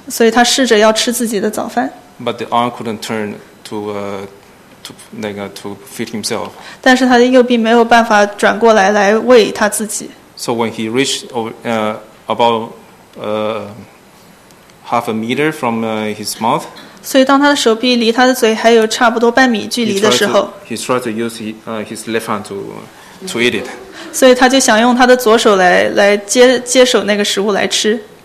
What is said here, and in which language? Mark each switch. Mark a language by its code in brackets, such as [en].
[zh] 所以他试着要吃自己的早饭。 [en] But the arm couldn't turn to feed himself. [zh] 但是他的右臂没有办法转过来来喂他自己。 [en] So when he reached about half a meter from his mouth, [zh] 所以当他的手臂离他的嘴还有差不多半米距离的时候 [en] he tried to use his left hand to eat it. [zh] 所以他就想用他的左手 来 接手那个食物来吃。